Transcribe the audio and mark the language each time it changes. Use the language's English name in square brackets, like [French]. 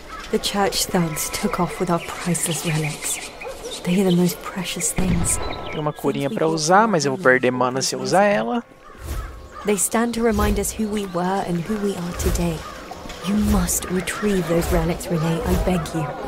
[English] The church thugs took off with our priceless relics. They are the most precious things. [Portuguese] Tem uma curinha pra usar, mas eu vou perder mana se eu usar ela. [English] They stand to remind us who we were and who we are today. You must retrieve those relics, Renee, I beg you.